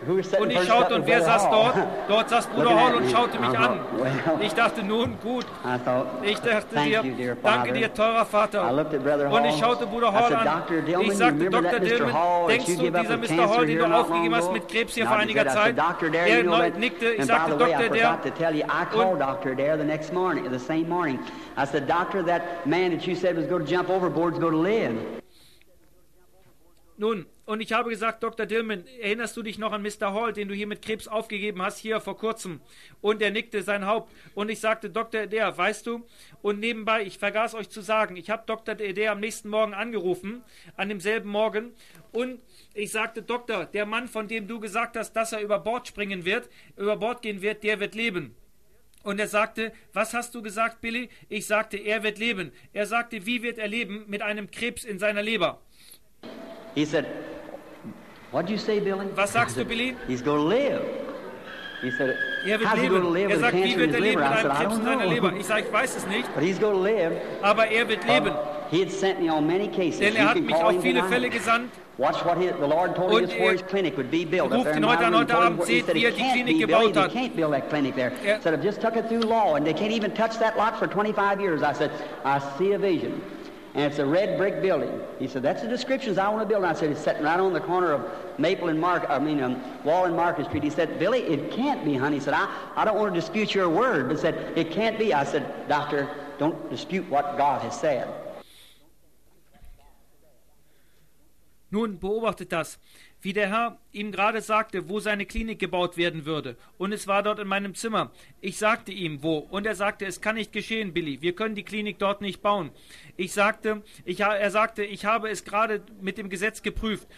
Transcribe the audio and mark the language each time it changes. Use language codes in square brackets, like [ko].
[de] Und ich schaute, und wer saß dort? Dort saß Bruder Hall und schaute mich an. Ich dachte, nun, gut. Ich dachte dir, danke dir, teurer Vater. Und ich schaute Bruder Hall an. Ich sagte, Dr. Dillman, denkst du, dieser Mr. Hall, den du aufgegeben hast mit Krebs hier vor einiger Zeit? Er nickte. Ich sagte, Dr. Dillman. Ich sagte, [en] Dr., that man that you said was going to jump overboard is going to live. [de] Nun, und ich habe gesagt, Dr. Dillman, erinnerst du dich noch an Mr. Hall, den du hier mit Krebs aufgegeben hast, hier vor kurzem? Und er nickte sein Haupt. Und ich sagte, Dr. Adair, weißt du? Und nebenbei, ich vergaß euch zu sagen, ich habe Dr. Adair am nächsten Morgen angerufen, an demselben Morgen. Und ich sagte, Doktor, der Mann, von dem du gesagt hast, dass er über Bord springen wird, über Bord gehen wird, der wird leben. Und er sagte, was hast du gesagt, Billy? Ich sagte, er wird leben. Er sagte, wie wird er leben mit einem Krebs in seiner Leber? [en] He said, "What did you say, Billy?" [de] Was sagst du, Billy? [en] He's going to live. He said, "How is he going to live with cancer in his liver?" I said, "I don't know." [de] Ich sag, ich weiß es nicht. [en] But he's going to live. [de] Aber er wird leben. [en] He had sent me on many cases. [de] Denn er hat mich auf viele Fälle gesandt. [en] Watch what the Lord told him before his clinic would be built. Er ruft ihn heute an, heute Abend, seht, wie er die Klinik gebaut hat. He can't build that clinic there. He said, "I've just took it through law, and they can't even touch that lot for 25 years." I said, "I see a vision." And it's a red brick building. He said, "That's the descriptions I want to build." And I said, "It's sitting right on the corner of Maple and Mark. Wall and Market Street." He said, "Billy, it can't be, honey." He said, "I don't want to dispute your word, but said it can't be." I said, "Doctor, don't dispute what God has said." [de] Nun beobachtet das, wie der Herr ihm gerade sagte, wo seine Klinik gebaut werden würde. Und es war dort in meinem Zimmer. Ich sagte ihm, wo. Und er sagte, es kann nicht geschehen, Billy. Wir können die Klinik dort nicht bauen. Er sagte, ich habe es gerade mit dem Gesetz geprüft.